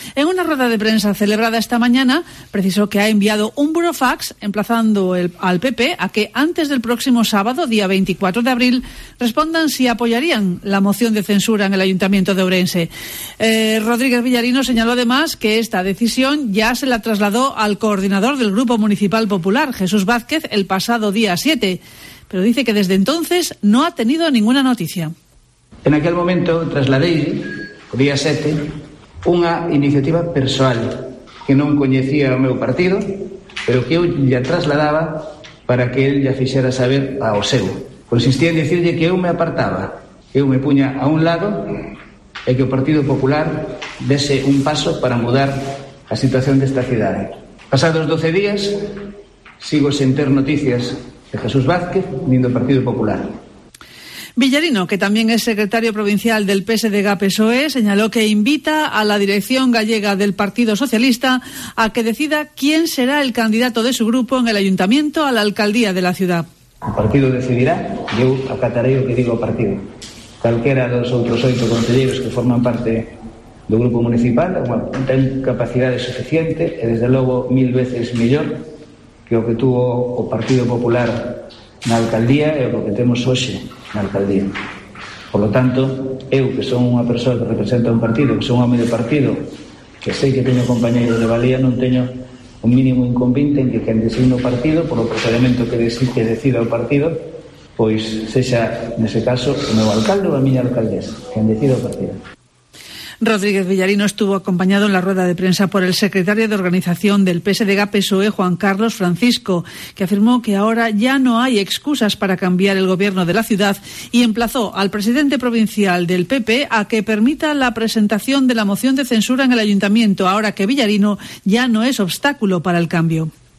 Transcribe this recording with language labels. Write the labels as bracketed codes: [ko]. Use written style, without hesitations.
[es] En una rueda de prensa celebrada esta mañana, precisó que ha enviado un burofax emplazando al PP a que antes del próximo sábado, día 24 de abril, respondan si apoyarían la moción de censura en el Ayuntamiento de Ourense. Rodríguez Villarino señaló además que esta decisión ya se la trasladó al coordinador del Grupo Municipal Popular, Jesús Vázquez, el pasado día 7. Pero dice que desde entonces no ha tenido ninguna noticia. [gl] En aquel momento trasladei, o día 7, unha iniciativa persoal que non coñecía o meu partido, pero que eu lla trasladaba para que el lla fixera saber ao seu. Consistía en dicirlle que eu me apartaba, que eu me puña a un lado e que o Partido Popular dese un paso para mudar a situación desta cidade. Pasados 12 días, sigo sen ter noticias de Jesús Vázquez, nin do Partido Popular. Villarino, que también es secretario provincial del PSDG-PSOE, señaló que invita a la dirección gallega del Partido Socialista a que decida quién será el candidato de su grupo en el ayuntamiento a la alcaldía de la ciudad. [es] El partido decidirá, yo acataré lo que digo al partido. Cualquiera de los otros 8 concelleiros que forman parte del grupo municipal tienen capacidad suficiente y desde luego 1000 veces mejor que [gl] o que tuvo o Partido Popular na alcaldía [es] e o que temos hoxe na alcaldía. Por lo tanto, [gl] eu, que son unha persoa que representa un partido, que son un home de partido, que sei que teño compañeiros de valía, non teño un mínimo inconveniente en que quen designe o partido, polo procedimento que decida o partido, pois sexa, nese caso, o meu alcalde ou a miña alcaldesa, quen decida o partido. [es] Rodríguez Villarino estuvo acompañado en la rueda de prensa por el secretario de organización del PSDG-PSOE, Juan Carlos Francisco, que afirmó que ahora ya no hay excusas para cambiar el gobierno de la ciudad y emplazó al presidente provincial del PP a que permita la presentación de la moción de censura en el ayuntamiento, ahora que Villarino ya no es obstáculo para el cambio.